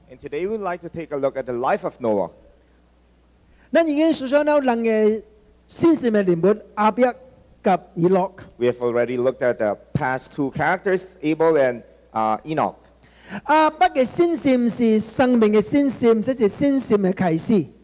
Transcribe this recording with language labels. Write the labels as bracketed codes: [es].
[en] And today we'd like to take a look at the life of Noah。 [zh] 咱已经思想了两个信息的题目，亚伯和以诺。 [en] We have already looked at the past two characters, Abel and Enoch。 [zh] 亚伯的信息是生命的信息，这是信息的开始。